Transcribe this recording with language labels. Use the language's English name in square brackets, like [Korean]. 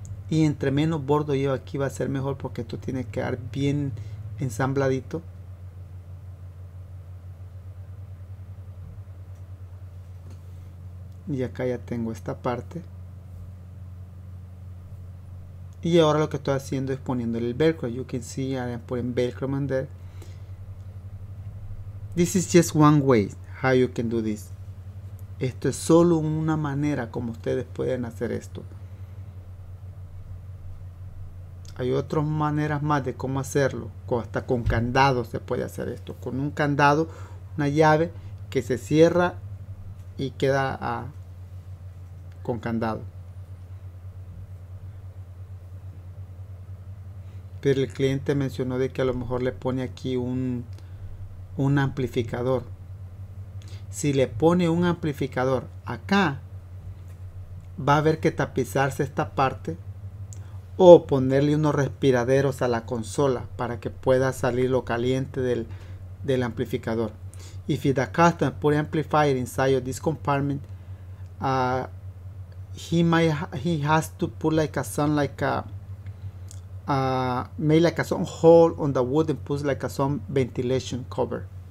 [Spanish] Y entre menos bordo lleve aquí va a ser mejor porque esto tiene que quedar bien ensambladito. Y acá ya tengo esta parte. Y ahora lo que estoy haciendo es poniendo el velcro. [English] You can see I'm putting velcro on there. This is just one way how you can do this. [Spanish] Esto es solo una manera como ustedes pueden hacer esto. Hay otras maneras más de cómo hacerlo. Hasta con candado se puede hacer esto. Con un candado, una llave que se cierra y queda con candado. Pero el cliente mencionó de que a lo mejor le pone aquí un amplificador. Si le pone un amplificador acá, va a haber que tapizarse esta parte o ponerle unos respiraderos a la consola para que pueda salir lo caliente del amplificador. [English] If the customer put amplifier inside of this compartment, he has to put like a some like a make like a some hole on the wood and put like a some ventilation cover.